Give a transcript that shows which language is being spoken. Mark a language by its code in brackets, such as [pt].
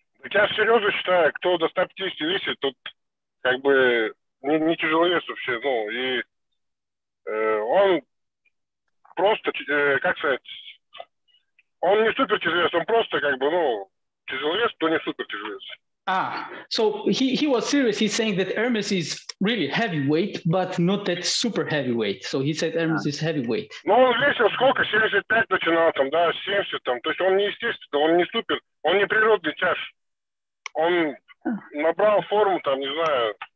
[ru] Я серьезно считаю, кто до 150 весит, тот как бы не тяжелый вес вообще. Ну, и он просто, как сказать, он не супер тяжелый вес, он просто как бы, ну, тяжелый вес, то не супер тяжелый вес. [en] Ah, so he was serious. He's saying that Ermes is really heavyweight, but not that super heavyweight. So he said Ermes is heavyweight. [ru] Ну, он весил сколько? 75 начинал там, да, 70 там. То есть он не естественный, он не супер, он не природный тяж. Он набрал форму там, не знаю,